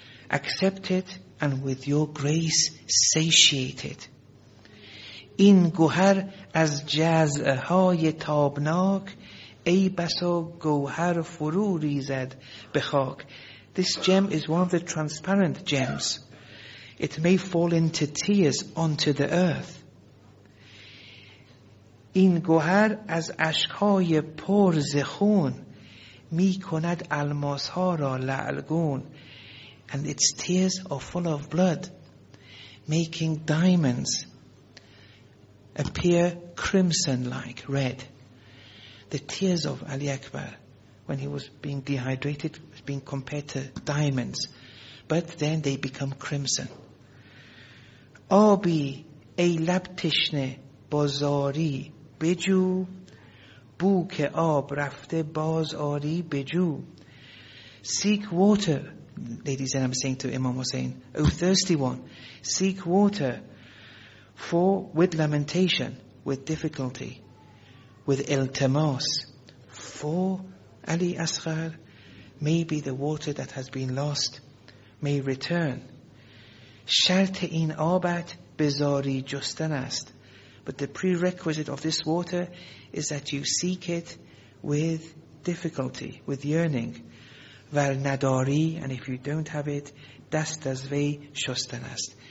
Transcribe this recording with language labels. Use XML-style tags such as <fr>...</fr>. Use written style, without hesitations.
<en>Accept it and with your grace satiate it.</en> <fa>این گوهر از جزعهای تابناک ای بسا گوهر فرو ریزد به خاک.</fa> <en>This gem is one of the transparent gems. It may fall into tears onto the earth.</en> <fa>این گوهر از اشکهای پر ز خون می کند الماسها را لعلگون.</fa> <en>And its tears are full of blood, making diamonds appear crimson like red. The tears of Ali Akbar, when he was being dehydrated, was being compared to diamonds, but then they become crimson.</en> <fa>آبی ای لب تشنه بازاری بجو، بو که آب رفته بازاری بجو.</fa> <en>Seek water, Lady Zainab is saying to Imam Hussein, O thirsty one, seek water. For with lamentation, with difficulty, with iltimas, for Ali Asghar, maybe the water that has been lost may return.</en> <fa>شرط این آبت بزاری جستن است.</fa> <en>But the prerequisite of this water is that you seek it with difficulty, with yearning.</en> <fa>ور نداری,</fa> <en>and if you don't have it,</en> <fa>دست از وی شستن است.</fa>